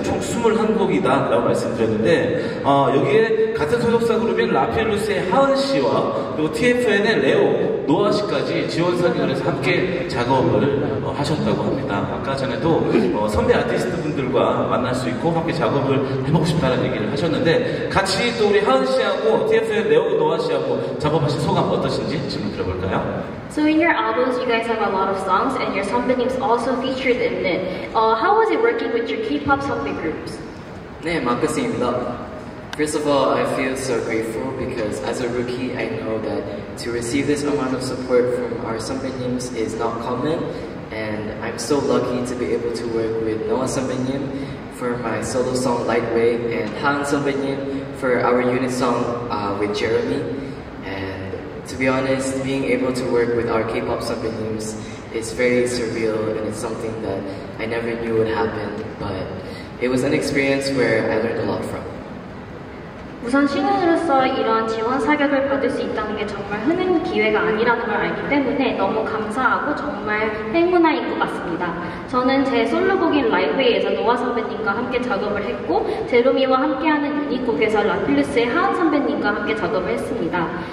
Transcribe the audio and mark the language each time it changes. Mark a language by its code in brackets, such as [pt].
[ko] 총 21곡이다 라고 말씀드렸는데 여기에 같은 소속사 그룹인 라피엘루스의 하은씨와 그리고 TFN의 레오 노아 씨까지 지원 사격을 해서 함께 작업을 하셨다고 합니다. 아까 전에도 선배 아티스트 분들과 만날 수 있고 함께 작업을 해보고 싶다는 얘기를 하셨는데 같이 또 우리 하은 씨하고 TFN 레오 노아 씨하고 작업하신 소감 어떠신지 질문 들어볼까요? [en] So in your albums, you guys have a lot of songs and your 선배님's also featured in it. How was it working with your K-pop 선배 groups? [ko] 네, 마크스입니다. [en] First of all, I feel so grateful because as a rookie, I know that to receive this amount of support from our 선배님s is not common, and I'm so lucky to be able to work with Noah 선배님 for my solo song Lightweight and Han 선배님 for our unit song with Jeremy. And to be honest, being able to work with our K-pop 선배님s is very surreal and it's something that I never knew would happen, but it was an experience where I learned a lot from. [ko] 우선 신인으로서 이런 지원 사격을 받을 수 있다는 게 정말 흔한 기회가 아니라는 걸 알기 때문에 너무 감사하고 정말 행운아인 것 같습니다. 저는 제 솔로곡인 라이브웨이에서 노아 선배님과 함께 작업을 했고 제로미와 함께하는 유닛곡에서 라필루스의 하은 선배님과 함께 작업을 했습니다.